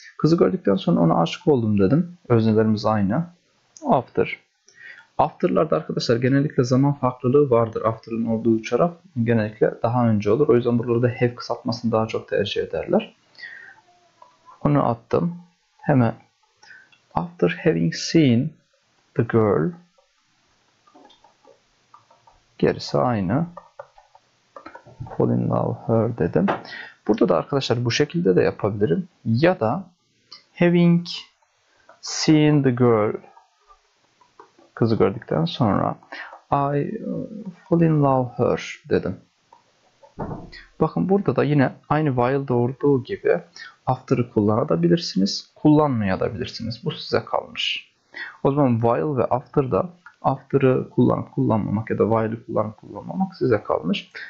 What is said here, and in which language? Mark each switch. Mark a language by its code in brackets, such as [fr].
[tr] Kızı gördükten sonra ona aşık oldum dedim. Öznelerimiz aynı. After. After'larda arkadaşlar genellikle zaman farklılığı vardır. After'ın olduğu taraf genellikle daha önce olur. O yüzden buralarda have kısaltmasını daha çok tercih ederler. Onu attım. Hemen. [en] After having seen the girl. [tr] Gerisi aynı. [en] Fall in love her [tr] dedim. Burada da arkadaşlar bu şekilde de yapabilirim. [en] Ya da having seen the girl. [tr] Kızı gördükten sonra [en] I fall in love her [tr] dedim. Bakın burada da yine aynı while'da olduğu gibi after'ı kullanabilirsiniz, kullanmayabilirsiniz. Bu size kalmış. O zaman while ve after'da after'ı kullanıp kullanmamak ya da while'ı kullanıp kullanmamak size kalmış.